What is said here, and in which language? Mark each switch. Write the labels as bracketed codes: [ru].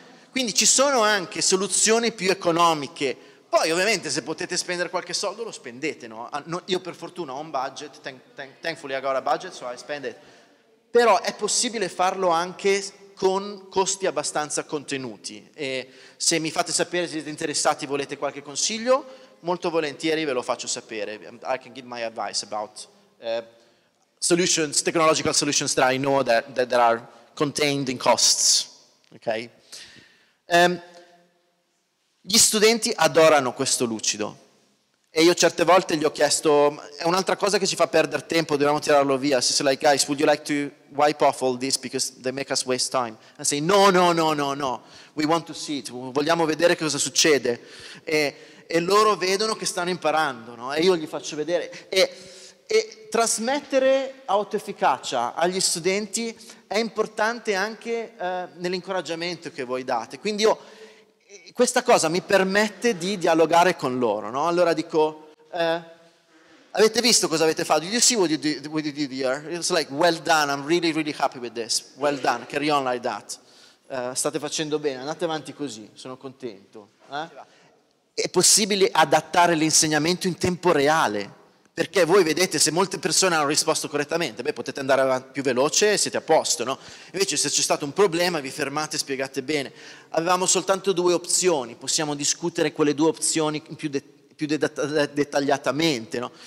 [it] Quindi ci sono anche soluzioni più economiche. Poi ovviamente se potete spendere qualche soldo lo spendete, no? Io per fortuna ho un budget, [en] thankfully I got a budget, so I spend it. [it] Però è possibile farlo anche con costi abbastanza contenuti. E se mi fate sapere, se siete interessati, volete qualche consiglio, molto volentieri ve lo faccio sapere. [en] I can give my advice about solutions, technological solutions that I know that are contained in costs. Okay? [it] Gli studenti adorano questo lucido e io certe volte gli ho chiesto, è un'altra cosa che ci fa perdere tempo, dobbiamo tirarlo via. [en] So, so like, guys, would you like to wipe off all this because they make us waste time? I say, no, we want to see it, [it] vogliamo vedere cosa succede. E loro vedono che stanno imparando, no? E io gli faccio vedere. E trasmettere autoefficacia agli studenti è importante anche nell'incoraggiamento che voi date. Quindi io, questa cosa mi permette di dialogare con loro, no? Allora dico, avete visto cosa avete fatto? [en] Did you see what you did here? It's like, well done, I'm really, really happy with this. Well done, carry on like that. [it] State facendo bene, andate avanti così, sono contento. È possibile adattare l'insegnamento in tempo reale, perché voi vedete se molte persone hanno risposto correttamente, beh, potete andare avanti più veloce e siete a posto, no? Invece se c'è stato un problema vi fermate e spiegate bene. Avevamo soltanto due opzioni, possiamo discutere quelle due opzioni più dettagliatamente, no?